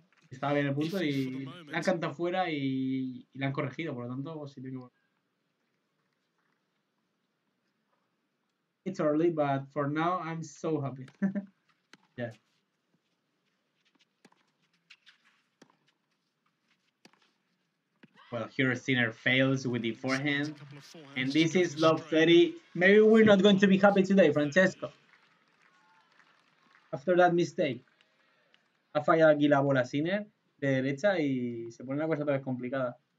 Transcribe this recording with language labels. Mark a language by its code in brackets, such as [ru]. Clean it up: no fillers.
[es] Estaba bien el punto y la han cantado fuera y la han corregido, por lo tanto, si tengo que. [en] It's early, but for now I'm so happy. Yeah. Well, here Sinner fails with the forehand. And this is love 30. Maybe we're not going to be happy today, Francesco. After that mistake. [es] Ha fallado aquí la bola Sinner de derecha y se pone la cosa otra vez complicada.